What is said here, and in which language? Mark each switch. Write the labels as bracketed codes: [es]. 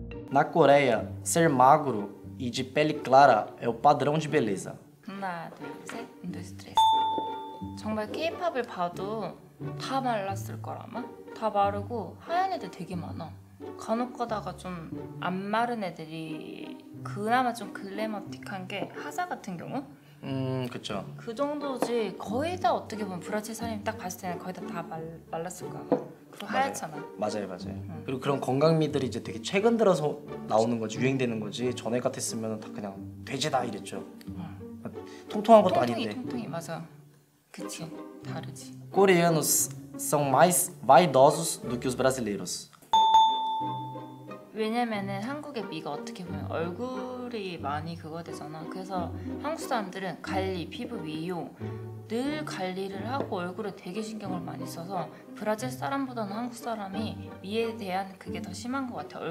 [pt] 나 코레아, ser magro e de pele clara é o padrão de beleza. [ko] 하나, 둘, 셋, 넷, 다섯. 정말 K-pop을 봐도 다 말랐을 거라마? 다 마르고 하얀 애들 되게 많아. 간혹가다가 좀 안 마른 애들이 그나마 좀 글래머틱한 게 하자 같은 경우? 그쵸. 그 정도지 거의 다 어떻게 보면 브라질 사람이 딱 봤을 때는 거의 다 말랐을 거야. 하얗잖아. 맞아요. 응. 그리고 그런 건강미들이 이제 되게 최근 들어서 나오는 거지, 유행되는 거지. 전에 같았으면 다 그냥 돼지다 이랬죠. 응. 통통한 것도 통통이, 아닌데. 통통이 맞아. 그치. 다르지. [pt] Coreanos são mais vaidosos do que os brasileiros. [ko] 왜냐면은 한국의 미가 어떻게 보면 얼굴이 많이 그거 되잖아. 그래서 한국 사람들은 관리, 피부 미용 늘 관리를 하고 얼굴에 되게 신경을 많이 써서 브라질 사람보다는 한국 사람이 미에 대한 그게 더 심한 것 같아.